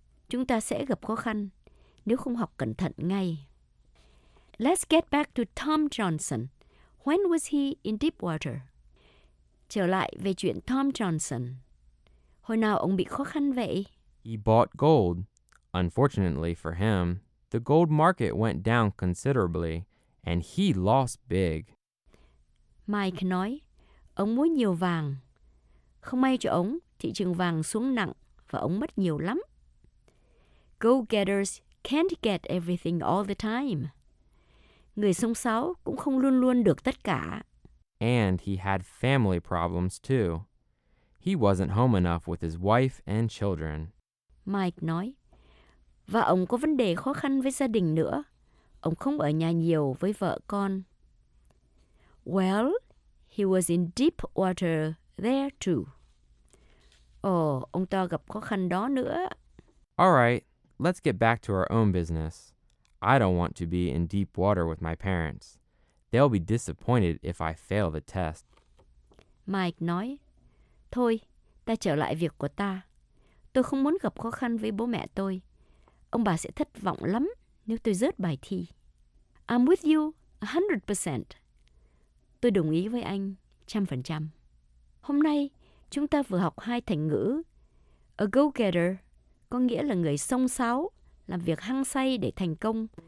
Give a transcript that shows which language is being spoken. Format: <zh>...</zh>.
<vi>Chúng ta sẽ gặp khó khăn nếu không học cẩn thận ngay.</vi> <en>Let's get back to Tom Johnson. When was he in deep water?</en> <vi>Trở lại về chuyện Tom Johnson. Hồi nào ông bị khó khăn vậy?</vi> <en>He bought gold. Unfortunately for him, the gold market went down considerably, and he lost big.</en> <vi>Mike nói, ông mua nhiều vàng. Không may cho ông, thị trường vàng xuống nặng và ông mất nhiều lắm.</vi> <en>Go-getters can't get everything all the time.</en> <vi>Người xông xáo cũng không luôn luôn được tất cả.</vi> <en>And he had family problems too. He wasn't home enough with his wife and children.</en> <vi>Mike nói, và ông có vấn đề khó khăn với gia đình nữa. Ông không ở nhà nhiều với vợ con.</vi> <en>Well, he was in deep water there too.</en> <vi>Ông ta gặp khó khăn đó nữa.</vi> <en>All right, let's get back to our own business. I don't want to be in deep water with my parents. They'll be disappointed if I fail the test.</en> <vi>Mike nói, thôi, Ta trở lại việc của ta. Tôi không muốn gặp khó khăn với bố mẹ tôi. Ông bà sẽ thất vọng lắm nếu tôi rớt bài thi.</vi> <en>I'm with you 100%.</en> <vi>Tôi đồng ý với anh 100%. Hôm nay, chúng ta vừa học hai thành ngữ.</vi> <en>A go-getter</en> <vi>có nghĩa là người xông xáo, làm việc hăng say để thành công.</vi>